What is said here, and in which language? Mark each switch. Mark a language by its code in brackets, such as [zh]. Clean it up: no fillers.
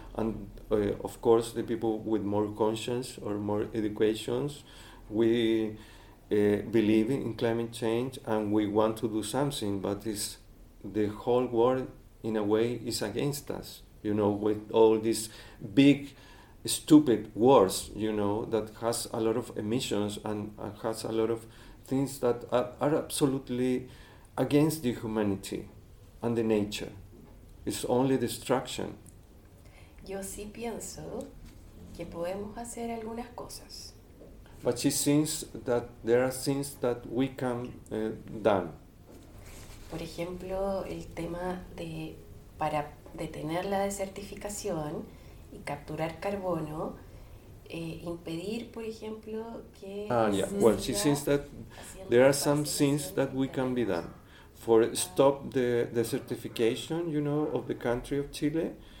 [en] And of course, the people with more conscience or more education, we believe in climate change and we want to do something, but it's the whole world, in a way, is against us, you know, with all these big, stupid wars, you know, that has a lot of emissions and has a lot of things that are absolutely against the humanity and the nature. It's only destruction. [es] Yo sí pienso que podemos hacer algunas cosas. [en] But she thinks that there are things that we can done. [es] Por ejemplo, el tema de para detener la desertificación y capturar carbono, impedir, por ejemplo, que [en] Well, she thinks that there are some things that we can be done for stop the desertification, you know, of the country of Chile.